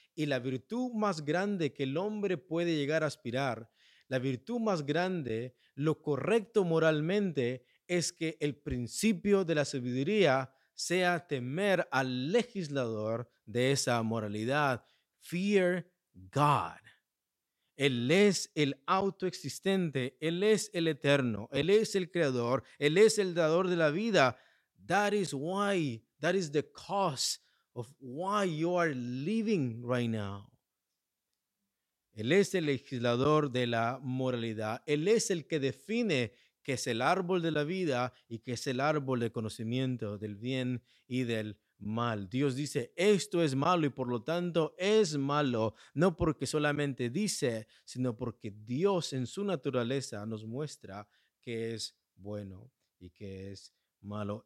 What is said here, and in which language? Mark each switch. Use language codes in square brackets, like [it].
[es] Y la virtud más grande que el hombre puede llegar a aspirar, la virtud más grande, lo correcto moralmente, es que el principio de la sabiduría sea temer al legislador de esa moralidad. [en] Fear God. [es] Él es el autoexistente, Él es el eterno, Él es el creador, Él es el dador de la vida. [en] That is why, that is the cause of why you are living right now. [es] Él es el legislador de la moralidad. Él es el que define qué es el árbol de la vida y qué es el árbol de conocimiento del bien y del mal. Dios dice, esto es malo y por lo tanto es malo. No porque solamente dice, sino porque Dios en su naturaleza nos muestra qué es bueno y qué es malo.